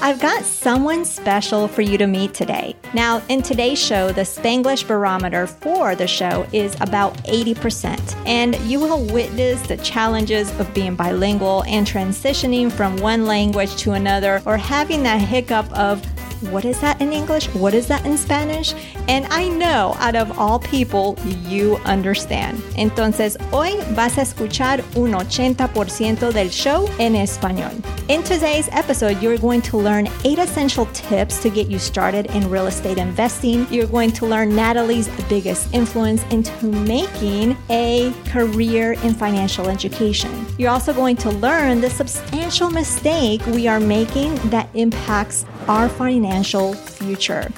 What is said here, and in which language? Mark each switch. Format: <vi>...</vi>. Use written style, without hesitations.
<en>I've got someone special for you to meet today. Now, in today's show, the Spanglish barometer for the show is about 80%, and you will witness the challenges of being bilingual and transitioning from one language to another, or having that hiccup of what is that in English? What is that in Spanish? And I know, out of all people, you understand.</en> <es>Entonces, hoy vas a escuchar un 80% del show en español.</es> <en>In today's episode, you're going to learn 8 essential tips to get you started in real estate investing. You're going to learn Natalie's biggest influence into making a career in financial education. You're also going to learn the substantial mistake we are making that impacts our financial future.</en>